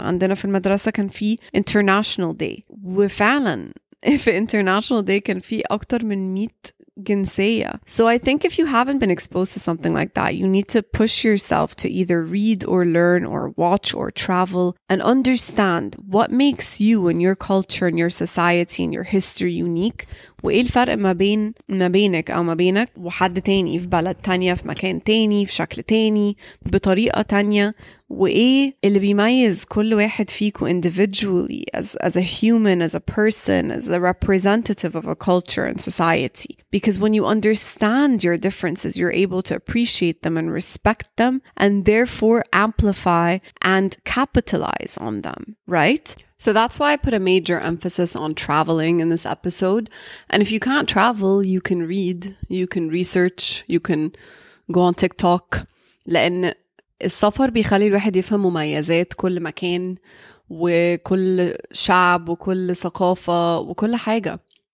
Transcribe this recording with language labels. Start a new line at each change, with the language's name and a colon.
Arabic: عندنا في المدرسة كان في International Day. وفعلا, في International Day كان في أكتر من 100 جنسية.
English: So I think if you haven't been exposed to something like that, you need to push yourself to either read or learn or watch or travel and understand what makes you and your culture and your society and your history unique.
Arabic: وإيه الفرق ما بينك أو ما بينك وحد تاني في بلد تانية في مكان تاني في شكل تاني بطريقة تانية وإيه اللي بيميز كل واحد فيكو
English: individually as a human, as a person, as a representative of a culture and society. Because when you understand your differences, you're able to appreciate them and respect them and therefore amplify and capitalize on them, right? So that's why I put a major emphasis on traveling in this episode. And if you can't travel, you can read, you can research, you can go on TikTok.
Arabic: لأن السفر بيخلي الواحد يفهم مميزات كل مكان وكل شعب وكل ثقافة وكل حاجة.